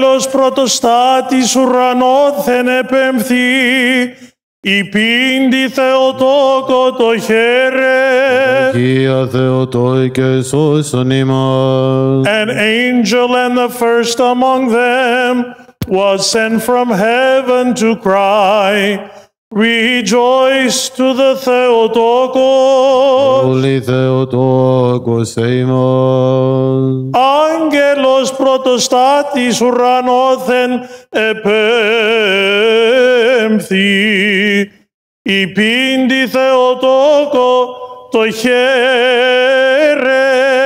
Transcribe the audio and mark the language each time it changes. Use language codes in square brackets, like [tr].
[el] Πρωτοστάτης ουρανόθεν επέμφθη, υπήντη Θεοτόκο το χαίρε. Αγία Θεοτόκε σώσον ημάς. [en] An angel and the first among them was sent from heaven to cry, rejoice to the Theotokos. [el] Όλοι Θεοτόκος ημάς. Άγγελος πρωτοστάτης ουρανόθεν επέμφθη, υπήντη Θεοτόκο το χαίρε.